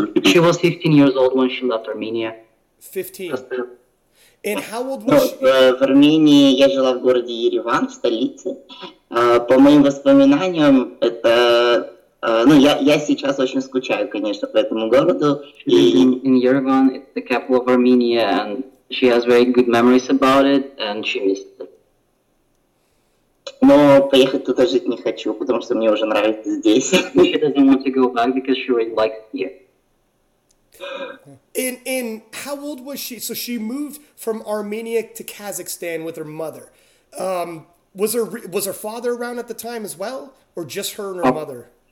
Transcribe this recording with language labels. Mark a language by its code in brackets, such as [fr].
[en] She was 15 years old when she left Armenia. 15. And how old was she? [ru] В Армении я жила в городе Ереван, в столице. По моим воспоминаниям, это... я сейчас очень скучаю, конечно, по этому городу. [en] In Yerevan, it's the capital of Armenia, and she has very good memories about it, and she missed it. [ru] Но поехать туда жить не хочу, потому что мне уже нравится здесь. [en] She doesn't want to go back because she really likes it here. And how old was she? So she moved from Armenia to Kazakhstan with her mother. Was her father around at the time as well, or just her and her mother?